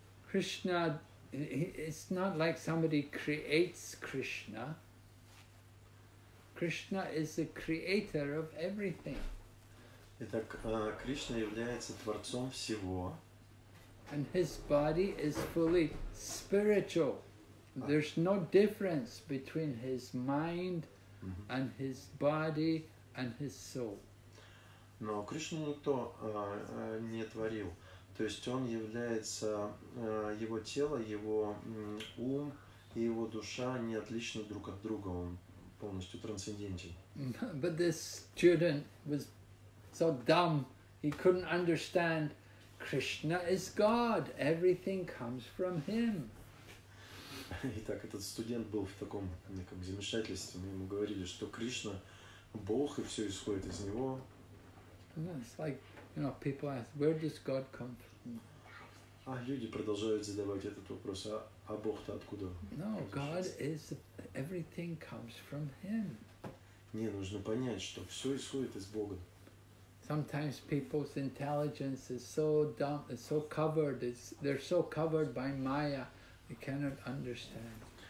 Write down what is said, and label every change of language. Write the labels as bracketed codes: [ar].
[en] Krishna, it's not like somebody creates Krishna. Krishna is the creator of everything. [ru] Итак, Кришна является творцом всего. [en] And his body is fully spiritual. There's no difference between his mind and his body and his soul. [ru] Но Кришну никто не творил. То есть он является его тело, его ум и его душа не отличны друг от друга. Он полностью трансцендентен. [en] But this student was so dumb, he couldn't understand. Krishna is God. Everything comes from Him. [ru] Итак, этот студент был в таком неком замешательстве. Мы ему говорили, что Кришна Бог и все исходит из него. [en] It's like, you know, people ask, where does God come from? [ru] А люди продолжают задавать этот вопрос: а Бог-то откуда? [en] No, God is. Everything comes from Him. [ru] Не, нужно понять, что все исходит из Бога. [en] Sometimes people's intelligence is so dumb, it's so covered, they're so covered by Maya, they cannot understand.